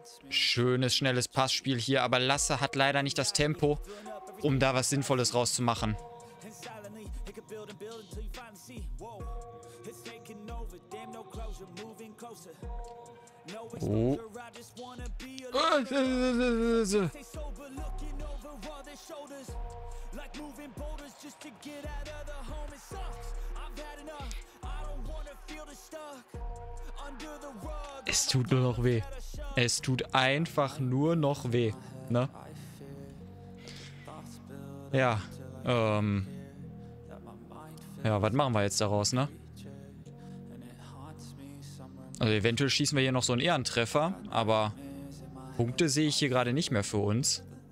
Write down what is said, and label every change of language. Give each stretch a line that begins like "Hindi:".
German: Schönes, schnelles Passspiel hier, aber Lasse hat leider nicht das Tempo, um da was Sinnvolles rauszumachen.
English: It could build and build until you finally see. Whoa, it's taking over. Damn, no closure, moving closer. No exposure, I just wanna be a stay sober, looking over all their shoulders. Like moving boulders just to get out of the home. It sucks, I've had enough. I don't wanna feel the stuck. Under the rug.
German: Es tut nur noch weh. Es tut einfach nur noch weh, ne? Ja, ja, was machen wir jetzt daraus, ne? Also eventuell schießen wir hier noch so einen Ehrentreffer, aber Punkte sehe ich hier gerade nicht mehr für uns.